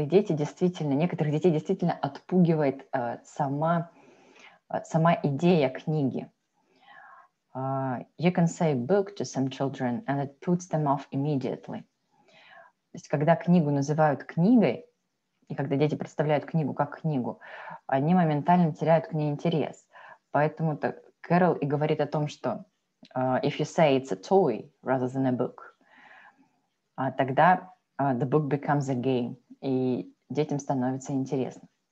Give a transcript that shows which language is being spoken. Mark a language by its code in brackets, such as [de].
[ru] Некоторых детей действительно отпугивает сама идея книги. [en] You can say book to some children and it puts them off immediately. [ru] То есть, когда книгу называют книгой, и когда дети представляют книгу как книгу, они моментально теряют к ней интерес. Поэтому-то Кэрол и говорит о том, что [en] if you say it's a toy rather than a book, [ru] тогда [en] the book becomes a game, [ru] и детям становится интересно.